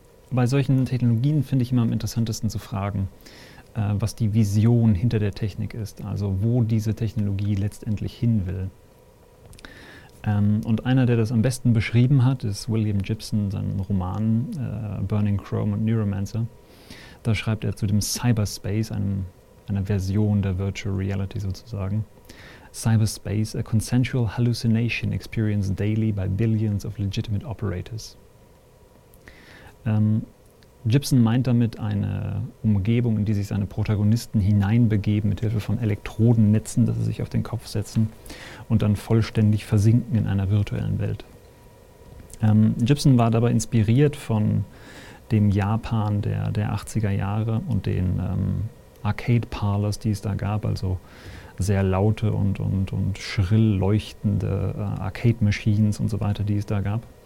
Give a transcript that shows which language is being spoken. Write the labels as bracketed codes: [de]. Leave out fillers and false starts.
[de] Bei solchen Technologien finde ich immer am interessantesten zu fragen, was die Vision hinter der Technik ist, also wo diese Technologie letztendlich hin will. Und einer, der das am besten beschrieben hat, ist William Gibson, seinem Roman Burning Chrome und Neuromancer. Da schreibt er zu dem Cyberspace, einer Version der Virtual Reality sozusagen. [en] Cyberspace, a consensual hallucination experienced daily by billions of legitimate operators. [de] Gibson meint damit eine Umgebung, in die sich seine Protagonisten hineinbegeben, mithilfe von Elektrodennetzen, dass sie sich auf den Kopf setzen und dann vollständig versinken in einer virtuellen Welt. Gibson war dabei inspiriert von dem Japan der 80er Jahre und den Arcade Parlors, die es da gab, also sehr laute und schrill leuchtende Arcade Machines und so weiter, die es da gab.